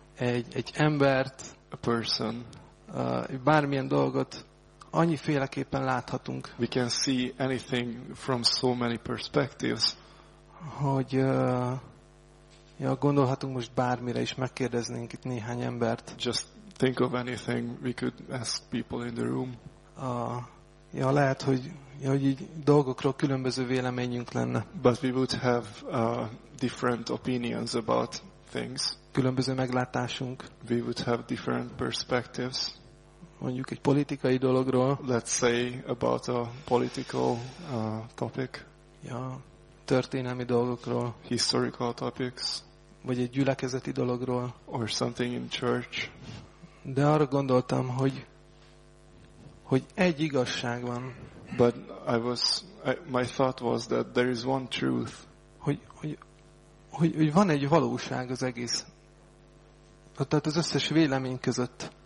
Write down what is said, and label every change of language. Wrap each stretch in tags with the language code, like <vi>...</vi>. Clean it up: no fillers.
<hu>Egy embert.</hu> <en>A person.</en> <hu>Bármilyen dolgot annyiféleképpen láthatunk.</hu> <en>We can see anything from so many perspectives.</en> <hu>Hogy gondolhatunk most bármire is, megkérdeznénk itt néhány embert.</hu> <en>Just think of anything, we could ask people in the room.</en> <hu>Lehet, hogy így dolgokról különböző véleményünk lenne.</hu> <en>But we would have different opinions about things.</en> <hu>Különböző meglátásunk.</hu> <en>We would have different perspectives.</en> <hu>mondjuk egy politikai dologról.</hu> <en>Let's say about a political topic.</en> <hu>Ja, történelmi dolgokról.</hu> <en>Historical topics.</en> <hu>Vagy egy gyülekezeti dologról.</hu> <en>Or something in church.</en> <hu>De arra gondoltam, hogy egy igazság van.</hu> <en>But my thought was that there is one truth.</en> <hu>Hogy van egy valóság az egész. Tehát az összes vélemény között.</hu>